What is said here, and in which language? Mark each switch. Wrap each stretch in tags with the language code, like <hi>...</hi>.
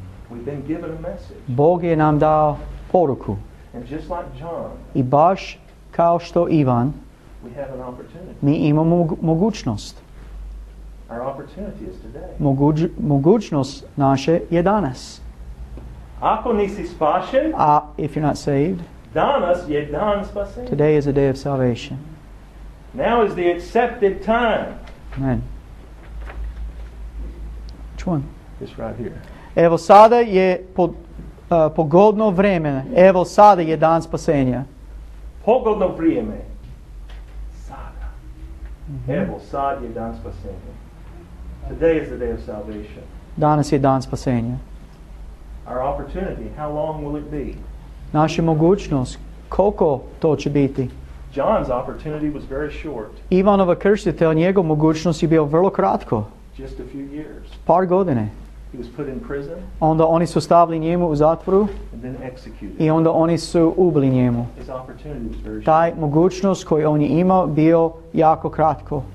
<en>We've been given a message.</en> <hr>Bog je nam dao poruku.</hr> <en>And just like John,</en> <hr>i baš kao što Ivan,</hr> <en>we have an opportunity.</en> <hr>Mi imamo mogućnost.</hr> <en>Our opportunity is today.</en> <hr>Mogućnost naše je danas. Ako nisi spašen,</hr> <en>if you're not saved,</en> <hr>danas je dan spasenja.</hr> <en>Today is a day of salvation. Now is the accepted time. Amen. Which one? This right here.</en> <hr>Evo sada je pogodno vrijeme. Evo sada je dan spasenja. Pogodno vrijeme. Evo, sad je dan spasenja.</hr> <en>Today is the day of salvation.</en> <hr>Danas je dan spasenja.</hr> <en>Our opportunity, how long will it be?</en> <hr>Naša mogućnost, koliko to će biti?</hr> <en>John's opportunity was very short.</en> <hr>Ivanova krstitel, njegov mogućnost je bio vrlo kratko.</hr> <en>Just a few years.</en> <hr>Par godine.</hr> <en>He was put in prison.</en> <hr>Onda oni su stavili njemu u zatvoru.</hr> <en>And then executed.</en> <hr>I onda oni su ubili njemu.</hr> <en>His opportunity was very</en> <hr>taj mogućnost koju on je imao bio jako kratko.</hr>